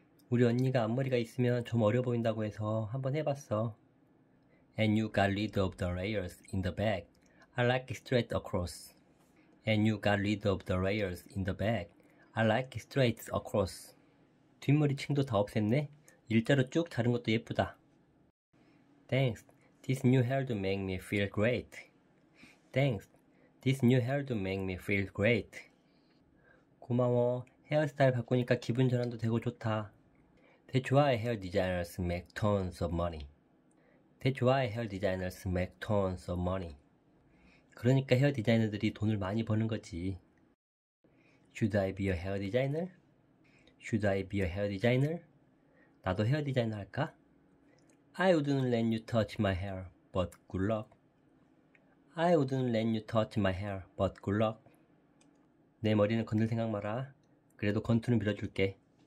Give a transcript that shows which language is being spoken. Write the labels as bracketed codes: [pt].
[ko] 우리 언니가 앞머리가 있으면 좀 어려 보인다고 해서 한번 해봤어. [en] And you got rid of the layers in the back. I like it straight across. And you got rid of the layers in the back. I like it straight across. [ko] 뒷머리층도 다 없앴네. 일자로 쭉 자른 것도 예쁘다. [en] Thanks. This new hairdo make me feel great. Thanks. This new hairdo make me feel great. [ko] 고마워. 헤어스타일 바꾸니까 기분 전환도 되고 좋다. [en] That's why hair designers make tons of money. That's why hair designers make tons of money. [ko] 그러니까 헤어 디자이너들이 돈을 많이 버는 거지. [en] Should I be a hair designer? Should I be a hair designer? [ko] 나도 헤어 디자이너 할까? [en] I wouldn't let you touch my hair, but good luck. I wouldn't let you touch my hair, but good luck. [ko] 내 머리는 건들 생각 마라. 그래도 건투는 밀어줄게.